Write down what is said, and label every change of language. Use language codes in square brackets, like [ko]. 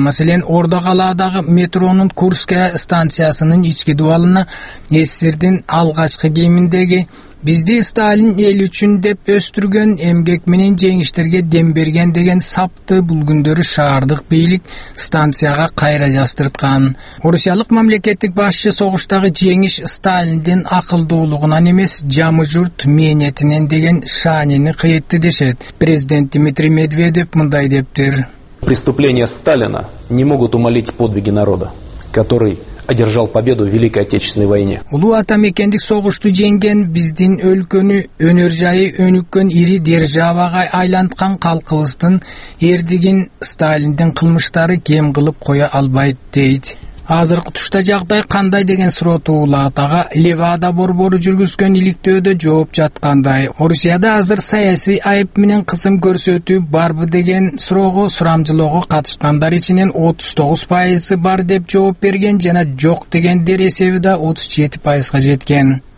[ky] Маселен, Ордо калаадагы метронун Курская станциясынын ички дубалына СССРдин алгачкы кийиминдеги «Бизди Сталин эл үчүн деп өстүргөн, эмгек менен жеңиштерге дем берген» деген сапты бул күндөрү шаардык бийлик станцияга кайра жаздырткан. Орусиялык мамлекеттик башчы согуштагы жеңиш Сталиндин акылдуулугунан эмес, жамы журт мээнетинен деген шаанини кыйытты дешет. Президент Дмитрий Медведев мындай дептир: [ru] «Преступления Сталина не могут умолить подвиги народа, который одержал победу в Великой Отечественной войне». [ky] Улуу атамекендик согушту жеңген, биздин өлкөнү өнөр жайы өнүккөн ири державага айланткан калкыбыздын эрдигин Сталиндин кылмыштары кем кылып кое албайт, дейт. Азыркы тушта жагдай кандай деген суроо туулат. Ага Левада борбору жүргүзгөн иликтөөдө жооп жаткандай: Орусияда азыр саясий айып менен кысым көрсөтүү барбы деген суроого сурамжылоого катышкандар ичинен 39% бар деп жооп берген жана жок дегендер эсеби да 37%га жеткен.